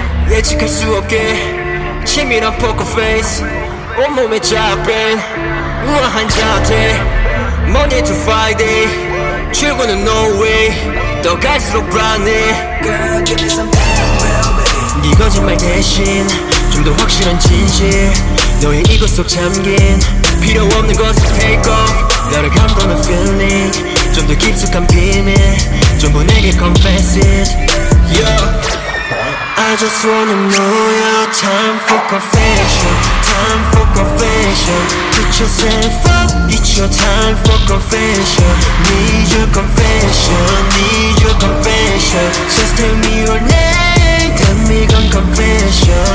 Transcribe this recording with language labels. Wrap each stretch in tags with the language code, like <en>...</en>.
<ko>예측할 수 없게 치밀한 poker face. 온몸에 잡힌 우아한 자태.</ko> <en>Monday to Friday</en> <ko>출근은</ko> <en>no way.</en> <ko>더 갈수록 불안해.</ko> <en>Girl, give me some background.</en> <ko>네 거짓말 대신 좀 더 확실한 진실. 너의 이곳 속 잠긴 필요 없는 것을</ko> <en>take off.</en> <ko>나를 감도는 feeling 좀 더 깊숙한 비밀 전부 내게</ko> <en>confess it. Yo, I just wanna know your time for confession. Time for confession. Put yourself up, it's your time for confession. Need your confession, need your confession. Just tell me your name, tell me your confession.</en>